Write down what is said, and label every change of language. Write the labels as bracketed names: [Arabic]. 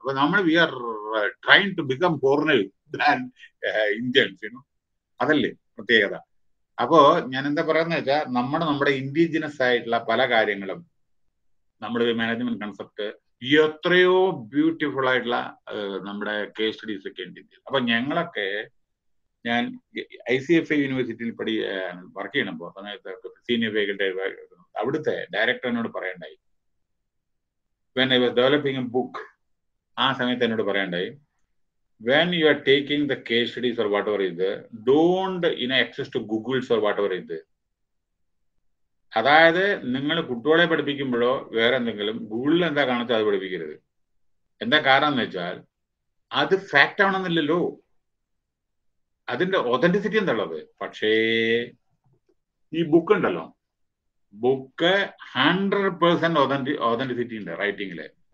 [Malayalam] അപ്പൊ നമ്മൾ [English] we are try to become foreign Indians, [Malayalam] അതല്ലേ പ്രത്യേകത. അപ്പോ ഞാൻ എന്താ പറയുന്ന വെച്ചാൽ, നമ്മുടെ ഇൻഡിജിനസ് ആയിട്ടുള്ള പല കാര്യങ്ങളും നമ്മുടെ മാനേജ്മെന്റ് കൺസെപ്റ്റ് എത്രയോ ബ്യൂട്ടിഫുൾ ആയിട്ടുള്ള നമ്മുടെ കേസ് സ്റ്റഡീസ് ഒക്കെ ഉണ്ട് ഇന്ത്യയിൽ. അപ്പൊ ഞങ്ങളൊക്കെ, ഞാൻ ICFA യൂണിവേഴ്സിറ്റിയിൽ പഠി വർക്ക് ചെയ്യണപ്പോ സമയത്ത് സീനിയർ ഫാക്കൽറ്റി, അവിടുത്തെ ഡയറക്ടർ എന്നോട് പറയണ്ടായി, [English] When I was developing a book, [Malayalam] ആ സമയത്ത് എന്നോട് പറയണ്ടായി, [English] When you are taking the case studies or whatever is, don't in access to Google or whatever is. [Malayalam] അതായത് നിങ്ങൾ കുട്ടികളെ പഠിപ്പിക്കുമ്പോഴോ വേറെ എന്തെങ്കിലും ഗൂഗിളിൽ എന്താ കാണിച്ചാൽ അത് പഠിപ്പിക്കരുത്. എന്താ കാരണം എന്ന് വെച്ചാൽ, അത് ഫാക്റ്റ് ആണെന്നില്ലല്ലോ, അതിന്റെ ഒതന്റിസിറ്റി എന്താ. പക്ഷേ ഈ ബുക്ക് ഉണ്ടല്ലോ, ബുക്ക് 100% ഒതന്റിസിറ്റി ഉണ്ട് റൈറ്റിംഗില്.